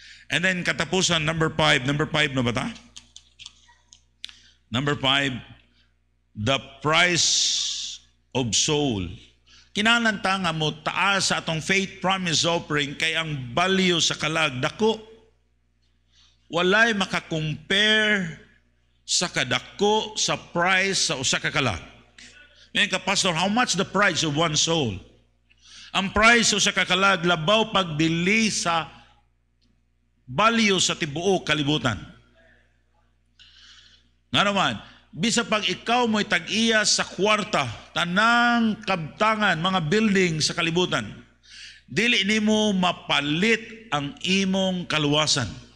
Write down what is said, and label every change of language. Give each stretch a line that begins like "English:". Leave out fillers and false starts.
English: And then katapusan number 5
Cebuano: na ba ta?
English: Number 5, the price of soul.
Cebuano: Kinalanta nga mo taas sa atong faith promise offering kay ang value sa kalag dako. Walay makakumpare sa kadako sa price sa usa ka kalag.
Filipino: Ngayon ka,
English: Pastor, how much the price of one soul?
Cebuano: Ang price sa usa ka kalag labaw pagdili sa value sa tibuok kalibutan. Nga naman, bisa pag ikaw mo'y tag-iya sa kwarta, tanang kabtangan, mga building sa kalibutan, dili nimo mapalit ang imong kaluwasan.